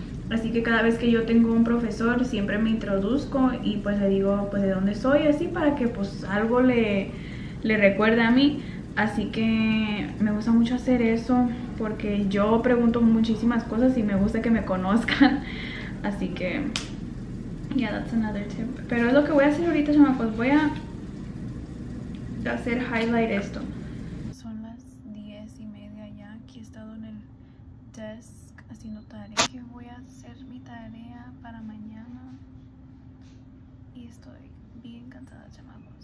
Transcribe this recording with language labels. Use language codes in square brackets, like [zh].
[es] Así que cada vez que yo tengo un profesor, siempre me introduzco y pues le digo pues de dónde soy, así para que pues algo le recuerde a mí. Así que me gusta mucho hacer eso, porque yo pregunto muchísimas cosas y me gusta que me conozcan. Así que, [en] yeah, that's another tip. [es] Pero es lo que voy a hacer ahorita, chama, pues voy a hacer highlight esto. Son las 10:30 ya, aquí he estado en el desk haciendo tarea. Que voy a hacer mi tarea para mañana y estoy bien cansada, chama.